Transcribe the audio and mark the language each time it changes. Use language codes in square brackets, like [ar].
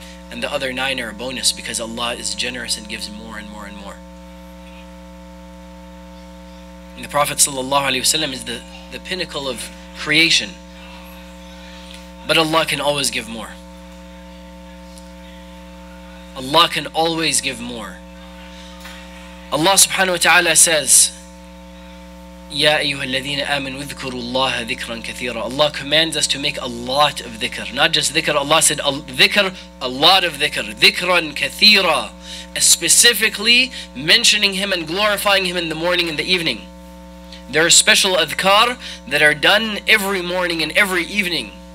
[en] And the other 9 are a bonus because Allah is generous and gives more and more and more. And the Prophet ﷺ is the pinnacle of creation. But Allah can always give more. Allah can always give more. Allah subhanahu wa ta'ala says, [ar] يَا أَيُّهَا الَّذِينَ آمَنُوا اذْكُرُوا اللَّهَ ذِكْرًا كَثِيرًا. [en] Allah commands us to make a lot of dhikr. Not just dhikr, Allah said dhikr, a lot of dhikr. [ar] ذِكْرًا كَثِيرًا. [en] Specifically mentioning Him and glorifying Him in the morning and the evening. There are special adhkar that are done every morning and every evening.